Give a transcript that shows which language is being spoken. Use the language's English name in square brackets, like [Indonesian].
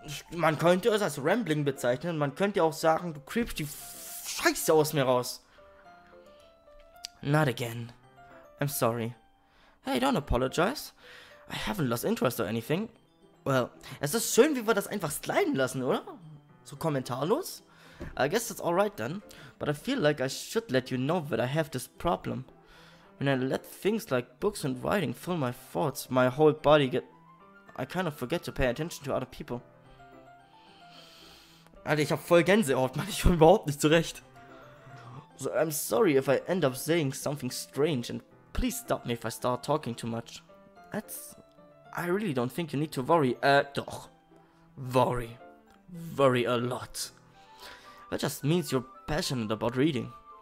[German] Man könnte es als rambling bezeichnen, man könnte auch sagen, du creepst die Scheiße aus mir raus. [English] Not again. I'm sorry. Hey, don't apologize. I haven't lost interest or anything. [German] Well, es ist schön, wie wir das einfach sliden lassen, oder? So kommentarlos? [English] I guess it's alright then, but I feel like I should let you know that I have this problem. When I let things like books and writing fill my thoughts, my whole body get... I kind of forget to pay attention to other people. [German] Alter, ich hab voll Gänsehaut, man, ich komm überhaupt nicht zurecht. [English] So I'm sorry if I end up saying something strange and please stop me if I start talking too much. That's... I really don't think you need to worry. [German] Doch. [English] Worry. Worry a lot. That just means you're passionate about reading.